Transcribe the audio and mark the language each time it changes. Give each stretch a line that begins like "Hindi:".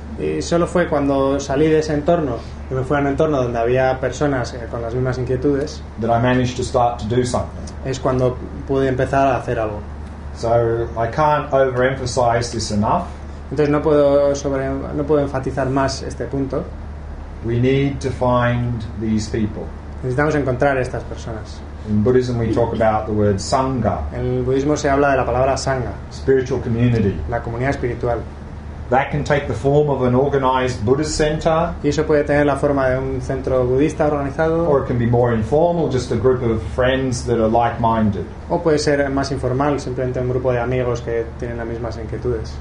Spanish: Y solo fue cuando salí de ese entorno y me fui a un entorno donde había personas con las mismas inquietudes.
English: That I managed to start to do something.
Spanish: Es cuando pude empezar a hacer algo.
English: So I can't overemphasize this enough.
Spanish: Entonces no puedo enfatizar más este punto.
English: We need to find these people.
Spanish: Necesitamos encontrar estas personas.
English: In Buddhism we talk about the word sangha.
Spanish: En el budismo se habla de la palabra sangha.
English: Spiritual community.
Spanish: La comunidad espiritual.
English: That can take the form of an organized Buddhist center.
Spanish: Y eso puede tener la forma de un centro budista organizado.
English: Or it can be more informal, just a group of friends that are like-minded.
Spanish: O puede ser más informal, simplemente un grupo de amigos que tienen las mismas inquietudes.